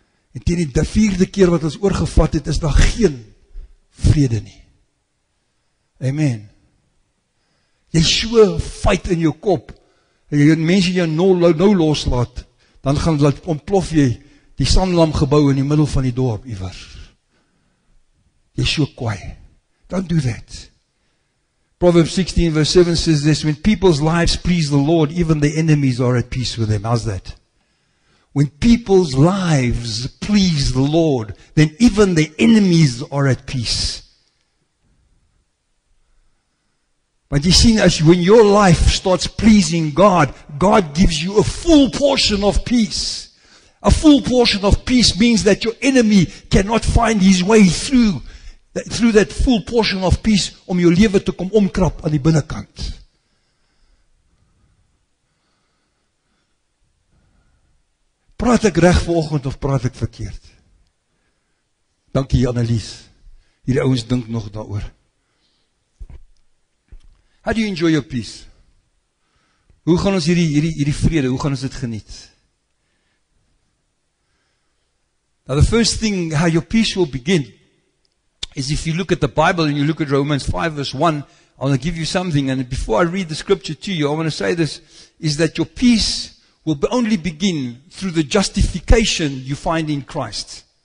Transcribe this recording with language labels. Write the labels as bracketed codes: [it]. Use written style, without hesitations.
[af] En teen die vierde keer wat ons oorgevat het, is daar geen vrede nie. Amen. Jy so fight in jou kop, en jy mense jou nou loslaat, dan gaan dit ontplof jy die sandlam gebou in die middel van die dorp, iewers. Jy so kwaai. [en] Don't do that. Proverbs 16 verse 7 says this, when people's lives please the Lord, even their enemies are at peace with them. How's that? When people's lives please the Lord, then even their enemies are at peace. But you see, when your life starts pleasing God, God gives you a full portion of peace. A full portion of peace means that your enemy cannot find his way through. Through that full portion of peace [af] om jou lewe te kom omkrap aan die binnenkant. Praat ek reg vanoggend of praat ek verkeerd? Dankie Annelies. Hierdie ouens dink nog daaroor. [en] How do you enjoy your peace? [af] Hoe gaan ons hierdie vrede, hoe gaan ons dit geniet? [en] Now the first thing, how your peace will begin, is if you look at the Bible and you look at Romans 5 verse 1, I want to give you something, and before I read the scripture to you, I want to say this, is that your peace will only begin through the justification you find in Christ.